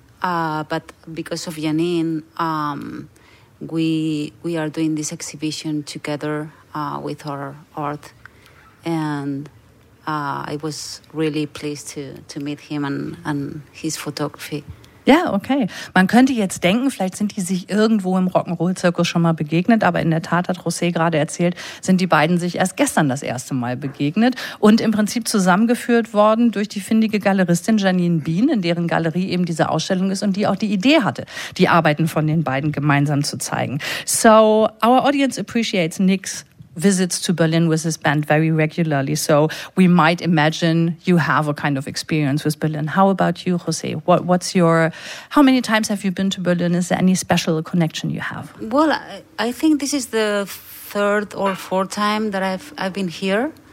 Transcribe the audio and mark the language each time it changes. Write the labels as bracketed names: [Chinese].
[English] But because of Janine, we are doing this exhibition together with our art, and I was really pleased to meet him and his photography. [German] Ja, okay. Man könnte jetzt denken, vielleicht sind die sich irgendwo im Rock'n'Roll-Zirkus schon mal begegnet, aber in der Tat, hat José gerade erzählt, sind die beiden sich erst gestern das erste Mal begegnet und im Prinzip zusammengeführt worden durch die findige Galeristin Janine Bean, in deren Galerie eben diese Ausstellung ist und die auch die Idee hatte, die Arbeiten von den beiden gemeinsam zu zeigen. [English] So, our audience appreciates Nick's visits to Berlin with his band very regularly. So we might imagine you have a kind of experience with Berlin. How about you, José? How many times have you been to Berlin? Is there any special connection you have? Well, I think this is the third or fourth time that I've been here.